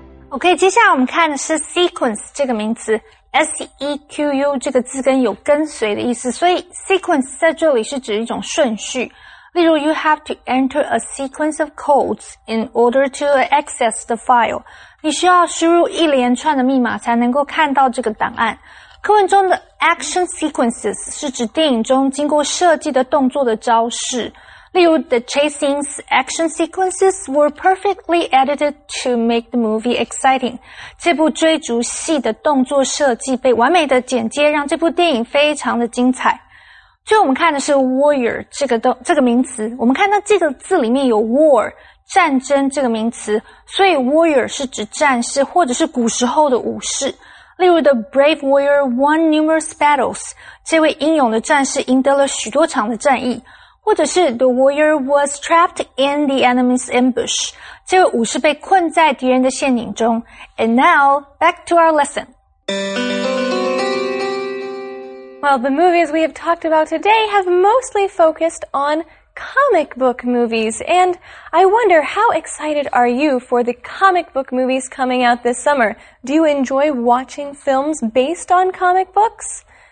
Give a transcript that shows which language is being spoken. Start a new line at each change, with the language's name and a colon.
Chinese: OK, 接下来我们看的是 sequence 这个名词。SEQU 这个字根有跟随的意思, 所以sequence 在这里是指一种顺序。例如,
English: you have to enter a sequence of codes in order to access the file.
Chinese: 你需要输入一连串的密码才能够看到这个档案。课文中的action sequences 是指电影中经过设计的动作的招式。例如,
English: the chasing's action sequences were perfectly edited to make the movie exciting.
Chinese: 这部追逐戏的动作设计被完美的剪接，让这部电影非常的精彩。最后我们看的是warrior 这个名词。我们看到这个字里面有war 战争这个名词。所以warrior是指战士或者是古时候的武士。例如,
English: the brave warrior won numerous battles.
Chinese: 这位英勇的战士赢得了许多场的战役。或者是
English: the warrior was trapped in the enemy's ambush.
Chinese: 这个武士被困在敌人的陷阱中.
English: And now, back to our lesson. Well, the movies we have talked about today have mostly focused on comic book movies. And I wonder, how excited are you for the comic book movies coming out this summer? Do you enjoy watching films based on comic books?